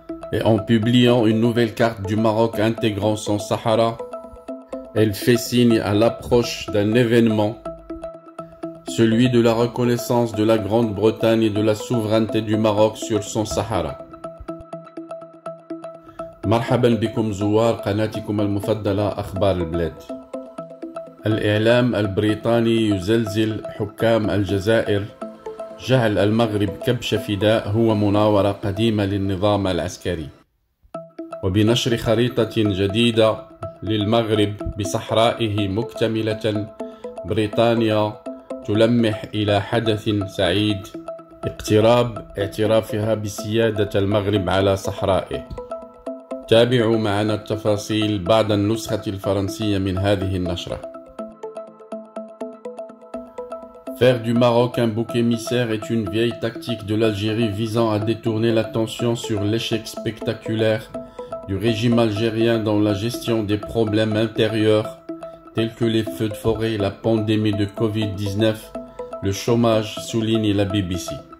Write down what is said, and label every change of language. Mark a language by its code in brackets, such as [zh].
[fr] Et en publiant une nouvelle carte du Maroc intégrant son Sahara, elle fait signe à l'approche d'un événement, celui de la reconnaissance de la Grande-Bretagne et de la souveraineté du Maroc sur son Sahara. [ar] مرحبا بكم زوار قناتكم المفضلة أخبار البلاد. الإعلام البريطاني يزلزل حكام الجزائر جعل المغرب كبش فداء هو مناورة قديمة للنظام العسكري. وبنشر خريطة جديدة للمغرب بصحرائه مكتملة بريطانيا تلمح إلى حدث سعيد اقتراب اعترافها بسيادة المغرب على صحرائه. تابعوا معنا التفاصيل بعد النسخة الفرنسية من هذه النشرة. [fr] Faire du Maroc un bouc émissaire est une vieille tactique de l'Algérie visant à détourner l'attention sur l'échec spectaculaire du régime algérien dans la gestion des problèmes intérieurs tels que les feux de forêt, la pandémie de Covid-19, le chômage, souligne la BBC.